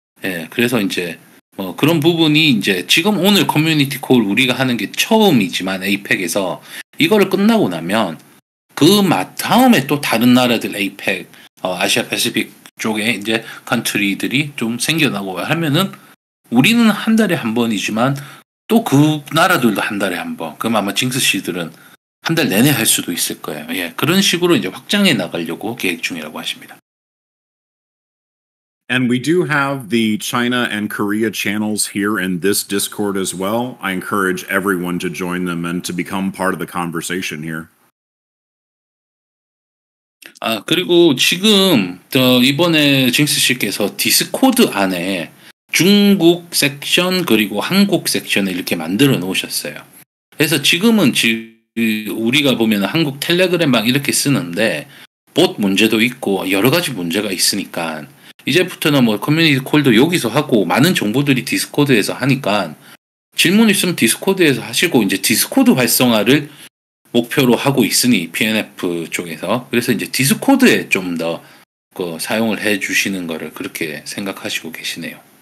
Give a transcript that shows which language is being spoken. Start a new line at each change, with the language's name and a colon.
Korean: 예, 그래서 이제 뭐 그런 부분이 이제 지금 오늘 커뮤니티 콜 우리가 하는 게 처음이지만 APEC에서 이거를 끝나고 나면 그 다음에 또 다른 나라들 APEC 아시아 패시픽 쪽에 이제 컨트리들이 좀 생겨나고 하면은 우리는 한 달에 한 번이지만 또 그 나라들도 한 달에 한 번. 그럼 아마 징스 씨들은 한 달 내내 할 수도 있을 거예요. 예, 그런 식으로 이제 확장해 나가려고 계획 중이라고 하십니다.
English: And we do have the China and Korea channels here in this Discord as well. I encourage everyone to join them and to become part of the conversation here.
Korean: 아, 그리고 지금 이번에 징스 씨께서 디스코드 안에 중국 섹션 그리고 한국 섹션을 이렇게 만들어 놓으셨어요. 그래서 지금은 우리가 보면 한국 텔레그램 막 이렇게 쓰는데 봇 문제도 있고 여러 가지 문제가 있으니까 이제부터는 뭐 커뮤니티 콜도 여기서 하고 많은 정보들이 디스코드에서 하니까 질문 있으면 디스코드에서 하시고 이제 디스코드 활성화를 목표로 하고 있으니 PNF 쪽에서 그래서 이제 디스코드에 좀 더 그 사용을 해 주시는 거를 그렇게 생각하시고 계시네요.